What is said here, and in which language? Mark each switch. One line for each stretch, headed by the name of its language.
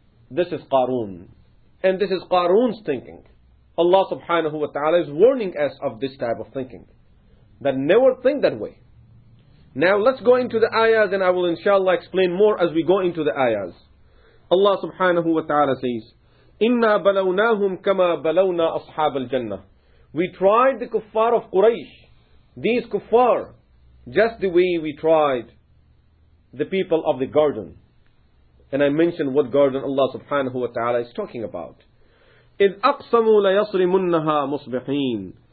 English: This is Qarun. And this is Qarun's thinking. Allah subhanahu wa ta'ala is warning us of this type of thinking. That never think that way. Now let's go into the ayahs, and I will inshallah explain more as we go into the ayahs.
Arabic: Allah subhanahu wa ta'ala says, إِنَّا بَلَوْنَاهُمْ كَمَا بَلَوْنَا أَصْحَابَ الْجَنَّةِ.
English: We tried the kuffar of Quraysh, these kuffar, just the way we tried the people of the garden. And I mentioned what garden Allah subhanahu wa ta'ala is talking about.
Arabic: إِذْ أَقْسَمُوا لَيَصْرِمُنَّهَا مُصْبِحِينَ.